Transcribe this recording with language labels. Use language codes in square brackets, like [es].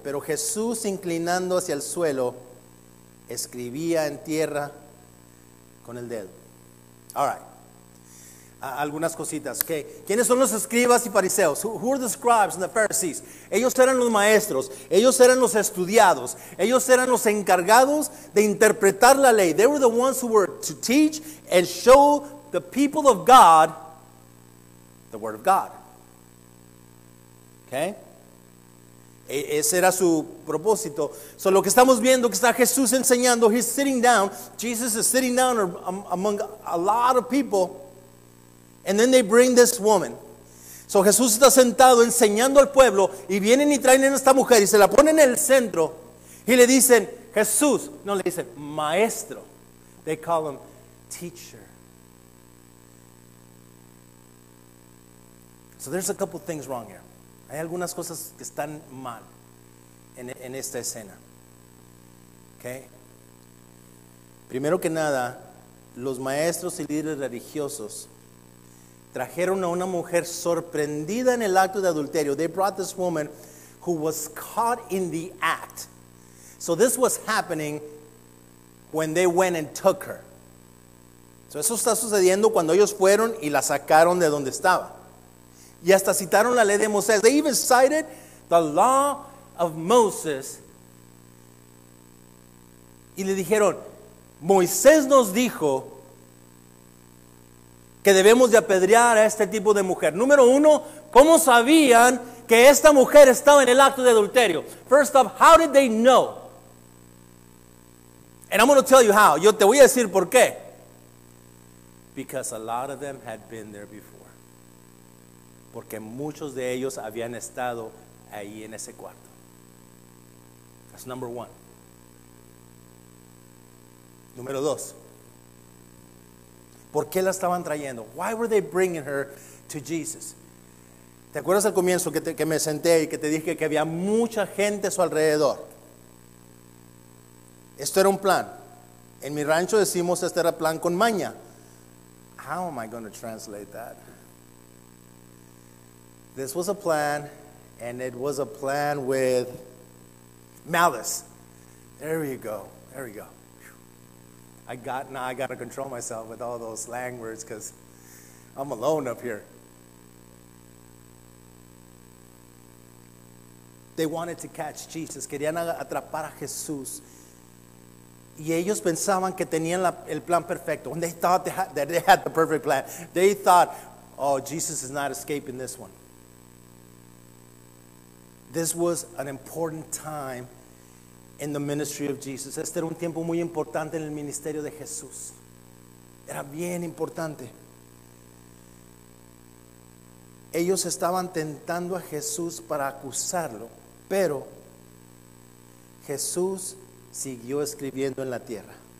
[es] Pero Jesús, inclinando hacia el suelo, escribía en tierra con el dedo. [en] All right. [es] Algunas cositas. Okay. ¿Quiénes son los escribas y fariseos? [en] Who are the scribes and the Pharisees? [es] Ellos eran los maestros. Ellos eran los estudiados. Ellos eran los encargados de interpretar la ley. [en] They were the ones who were to teach and show the people of God the word of God. [es] Okay. Ese era su propósito. So lo que estamos viendo que está Jesús enseñando. [en] He's sitting down. Jesus is sitting down among a lot of people. And then they bring this woman. So [es] Jesús está sentado enseñando al pueblo. Y vienen y traen a esta mujer. Y se la ponen en el centro. Y le dicen, Jesús. No, le dicen, maestro. [en] They call him teacher. So there's a couple things wrong here. [es] Hay algunas cosas que están mal en esta escena. Okay. Primero que nada, los maestros y líderes religiosos trajeron a una mujer sorprendida en el acto de adulterio. [en] They brought this woman who was caught in the act. So this was happening when they went and took her. [es] So eso está sucediendo cuando ellos fueron y la sacaron de donde estaba. Y hasta citaron la ley de Moisés. [en] They even cited the law of Moses. [es] Y le dijeron, Moisés nos dijo que debemos de apedrear a este tipo de mujer. Número uno, ¿cómo sabían que esta mujer estaba en el acto de adulterio? [en] First off, how did they know? And I'm going to tell you how. [es] Yo te voy a decir por qué. [en] Because a lot of them had been there before. [es] Porque muchos de ellos habían estado ahí en ese cuarto. [en] That's number one. [es] Número dos. ¿Por qué la estaban trayendo? [en] Why were they bringing her to Jesus? [es] ¿Te acuerdas al comienzo que me senté y que te dije que había mucha gente a su alrededor? Esto era un plan. En mi rancho decimos este era plan con maña. [en] How am I going to translate that? This was a plan, and it was a plan with malice. There you go. There you go. I got to control myself with all those slang words because I'm alone up here. They wanted to catch Jesus. [es] Querían atrapar a Jesús. Y ellos pensaban que tenían el plan perfecto. [en] And they thought that they had the perfect plan. They thought, oh, Jesus is not escaping this one. This was an important time in the ministry of Jesus. [es] Este era un tiempo muy importante en el ministerio de Jesús. Era bien importante. Ellos estaban tentando a Jesús para acusarlo, pero Jesús siguió escribiendo en la tierra.